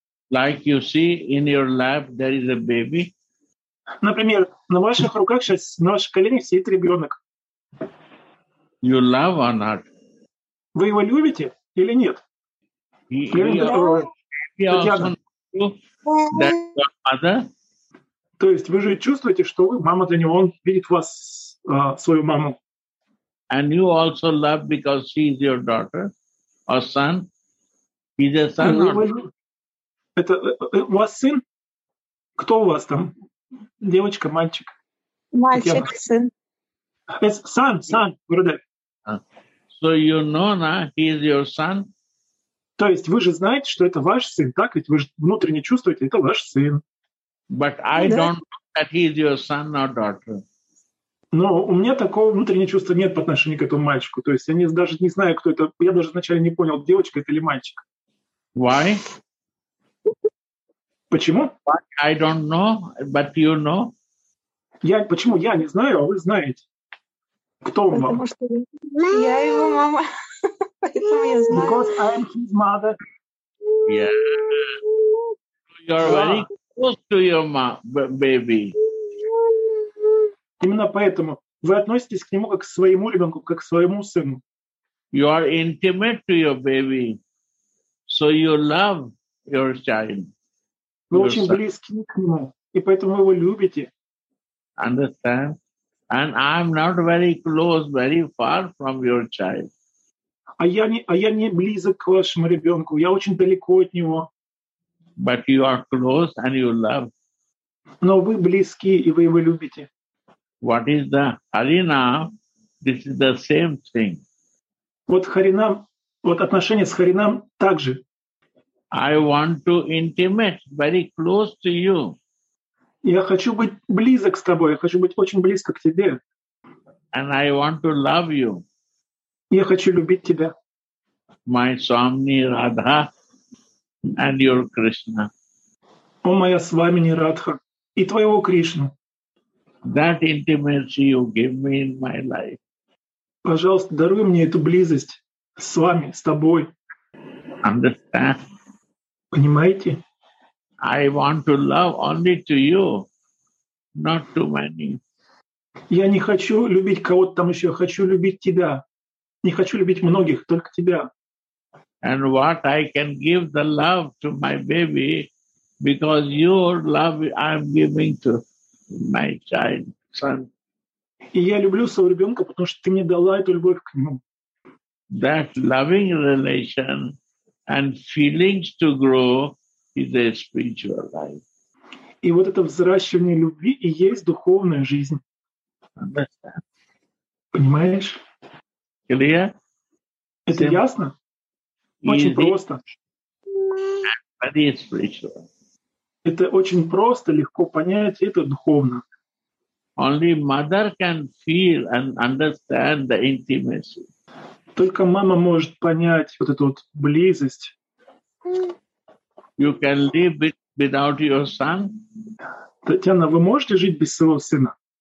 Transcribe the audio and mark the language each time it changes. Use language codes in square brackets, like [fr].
[en] Like you see in your lap, there is a baby. [ru] Например, на ваших руках сейчас, на ваших коленях сидит ребенок. [en] You love or not? [ru] Вы его любите или нет? То есть вы же чувствуете, что вы мама для него, он видит вас, свою маму. [en] And you also love because she is your daughter or son. He's a son. [ru] Это у вас сын? Кто у вас там? Девочка, мальчик? Мальчик, сын. [en] It's son, son, brother. So you know, nah, he is your son? [ru] То есть вы же знаете, что это ваш сын, так? Ведь вы же внутренне чувствуете, это ваш сын. [en] But I don't know that he is your son or daughter. [ru] Но у меня такого внутреннего чувства нет по отношению к этому мальчику. То есть я даже не знаю, кто это. Я даже вначале не понял, девочка это или мальчик. [en] Why? [ru] Почему? [en] I don't know, but you know. [ru] Почему я не знаю, а вы знаете? Кто он, потому мама? Что я его мама. Поэтому я знаю. [en] Because I'm his mother. Yeah. You're very close to your mom, baby. [ru] Именно поэтому вы относитесь к нему как к своему ребенку, как к своему сыну. [en] You are intimate to your baby. So you love your child. [ru] Вы очень близки к нему, и поэтому вы его любите. [en] Understand? And I'm not very close, very far from your child. [ru] А я не близок к вашему ребенку. Я очень далеко от него. [en] But you are close and you love. [ru] Но вы близки, и вы его любите. [en] What is the Харинам? This is the same thing. [ru] Вот Харинам, вот отношение с Харинам также. [en] I want to intimate, very close to you. [ru] Я хочу быть близок с тобой, я хочу быть очень близко к тебе. [en] And I want to love you. [ru] Я хочу любить тебя. [en] My Swami Radha and your Krishna. [ru] О, моя Свамини Радха и твоего Кришну. [en] That intimacy you give me in my life. [ru] Пожалуйста, даруй мне эту близость с вами, с тобой. [en] Understand? [ru] Понимаете? [en] I want to love only to you, not to many. [ru] Я не хочу любить кого-то там еще, хочу любить тебя. Не хочу любить многих, только тебя. [en] And what I can give the love to my baby, because your love I'm giving to my child, son. [ru] И я люблю своего ребенка, потому что ты мне дала эту любовь к нему. [en] That loving relation and feelings to grow is a spiritual life. [ru] И вот это взращивание любви и есть духовная жизнь. [en] Understand? [ru] Понимаешь? [en] Clear? [ru] Это ясно? Очень просто. [en] But it's spiritual. [ru] Это очень просто, легко понять, это духовно. [en] Only mother can feel and understand the intimacy. [ru] Только мама может понять вот эту вот близость. [en] You can live with without your son? [ru] Татьяна, вы можете жить без своего сына?